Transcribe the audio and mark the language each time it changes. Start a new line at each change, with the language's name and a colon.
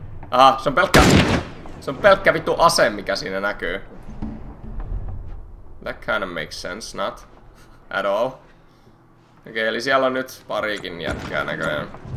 Finnish: Aha, se on pelkkä vittu ase, mikä siinä näkyy.
English: That kind of makes sense, not at all.
Finnish: Okei, okay, eli siellä on nyt parikin jätkää näköjään.